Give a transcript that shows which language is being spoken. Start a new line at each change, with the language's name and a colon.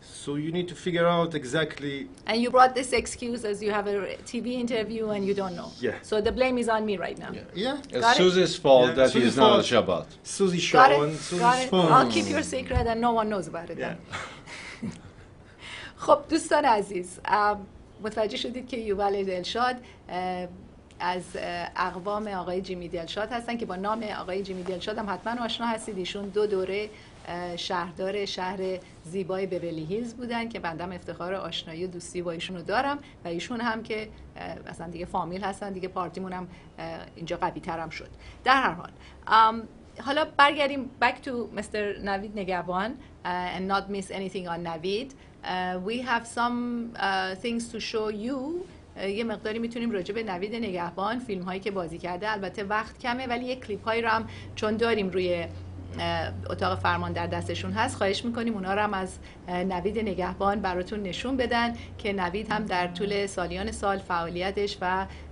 English: So you need to figure out exactly. And you brought this excuse as you have a TV interview and you don't know. Yeah. So the blame is on me right now. Yeah. It's Susie's fault that he is not a Shabbat. Susie Sharon. Susie's fault. I'll keep your secret and no one knows about it. Yeah.
Persian: خب دوستان عزیز، متوجه شدید که یوبل دلشاد از اقوام آقای جیمی دلشاد هستن، که با نام آقای جیمی دلشاد هم حتما آشنا هستید. ایشون دو دوره شهردار شهر زیبای بیولی هیلز بودن که بنده افتخار آشنایی و دوستی با ایشونو دارم و ایشون هم که اصلا دیگه فامیل هستن دیگه، پارتیمون هم اینجا قوی ترم شد. در هر حال حالا برگردیم
English: back to Mr. Navid Negabwan and not miss anything on Navid. We have some things to show you.
Persian: یه مقداری میتونیم راجع به نوید نگهبان فیلم هایی که بازی کرده، البته وقت کمه، ولی یه کلیپ هایی رو هم چون داریم روی اتاق فرمان در دستشون هست، خواهش میکنیم اونا رو هم از نوید نگهبان براتون نشون بدن، که نوید هم در طول سالیان سال فعالیتش و